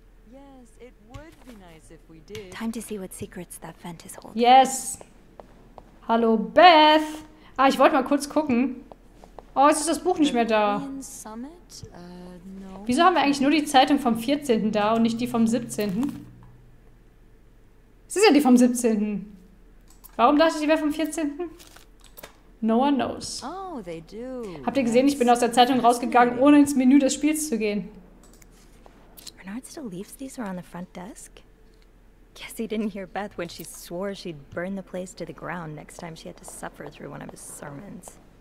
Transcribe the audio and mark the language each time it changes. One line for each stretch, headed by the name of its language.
English: Yes, it would be nice if we did. Time to see what secrets that vent is holding.
German: Yes. Hallo, Beth. Ah, ich wollte mal kurz gucken. Oh, jetzt ist das Buch nicht mehr da. Wieso haben wir eigentlich nur die Zeitung vom 14. da und nicht die vom 17.? Es ist ja die vom 17. Warum dachte ich, die wäre vom 14.?
English: No one knows. Oh, they do.
German: Habt ihr gesehen, ich bin aus der Zeitung rausgegangen, ohne ins Menü des Spiels zu gehen.
English: Bernard still leaves these around the front desk? Guess he didn't hear Beth when she swore she'd burn the place to the ground next time she had to suffer through one of his sermons.